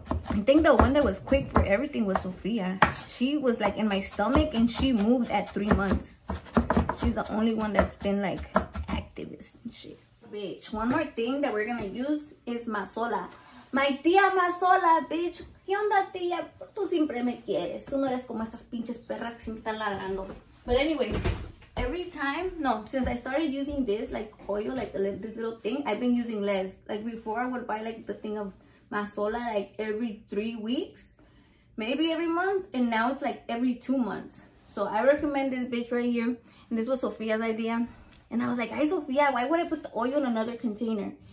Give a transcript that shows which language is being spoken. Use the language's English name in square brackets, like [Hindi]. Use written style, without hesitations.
[English] I think the one that was quick for everything was Sophia. She was like in my stomach and she moved at 3 months. She's the only one that's been like activist and shit. Bitch, one more thing that we're gonna use is Masola. My tia Masola, bitch. [Spanish] ¿Qué onda, tia? Tú siempre me quieres. Tú no eres como estas pinches perras que siempre están ladrando. [English] But anyway, every time, no, since I started using this, like, oil, like, this little thing, I've been using less. Like, before, I would buy, like, the thing of Masola, like, every 3 weeks, maybe every month, and now it's, like, every 2 months. So, I recommend this bitch right here, and this was Sophia's idea, and I was like, hey, Sophia, why would I put the oil in another container?